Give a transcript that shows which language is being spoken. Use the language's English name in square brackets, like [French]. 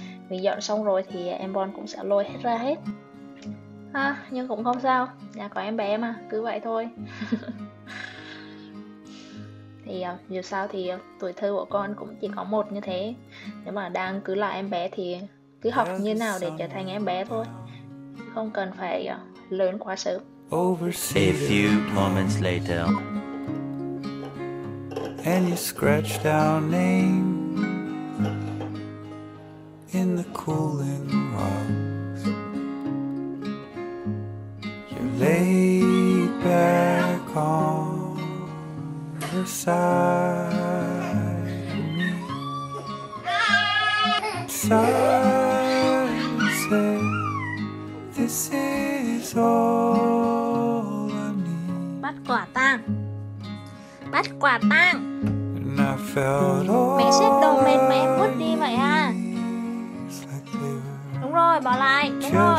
[Vietnamese] Vì dọn xong rồi thì em Bon cũng sẽ lôi hết ra hết ha, nhưng cũng không sao, nhà có em bé mà, cứ vậy thôi. Thì dù sao thì tuổi thơ của con cũng chỉ có một như thế. Nếu mà đang cứ là em bé thì cứ học như nào để trở thành em bé thôi, không cần phải lớn quá sớm. [English] A few moments later, and you scratched our name in the cooling rocks. You laid back on side and say, this is all I need. [Vietnamese] Bắt quả tang, bắt quả tang. [English] And I felt all [Vietnamese] mẹ xếp đồ mệt mẹ mút đi vậy ha. Like đúng rồi, bỏ lại, đúng rồi